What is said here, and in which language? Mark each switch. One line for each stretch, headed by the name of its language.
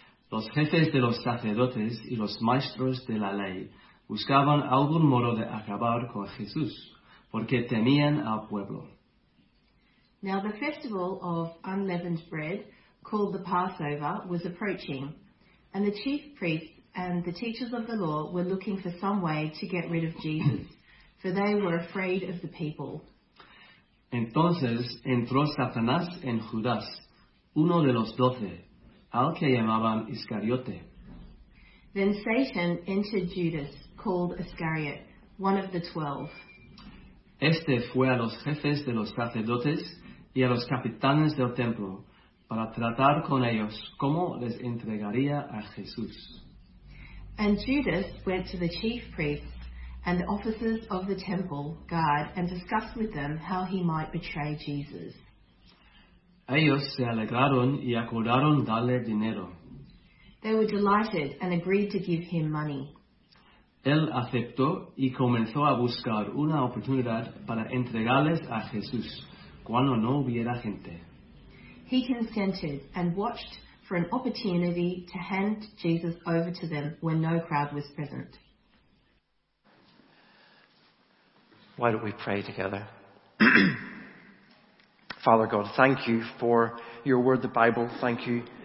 Spanish: Los jefes de los sacerdotes y los maestros de la ley buscaban algún modo de acabar con Jesús, porque temían al pueblo.
English: Now the festival of unleavened bread, called the Passover, was approaching, and the chief priests and the teachers of the law were looking for some way to get rid of Jesus, for they were afraid of the people.
Spanish: Entonces entró Satanás en Judas, uno de los doce, al que llamaban Iscariote.
English: Then Satan entered Judas, called Iscariot, one of the 12.
Spanish: Este fue a los jefes de los sacerdotes y a los capitanes del templo para tratar con ellos cómo les entregaría a Jesús.
English: And Judas went to the chief priests and the officers of the temple guard and discussed with them how he might betray Jesus.
Spanish: Ellos se alegraron y acordaron darle dinero.
English: They were delighted and agreed to give him money.
Spanish: Él aceptó y comenzó a buscar una oportunidad para entregarles a Jesús cuando no hubiera gente.
English: He consented and watched for an opportunity to hand Jesus over to them when no crowd was present. Why don't we pray together? Father God, thank you for your word, the Bible. Thank you.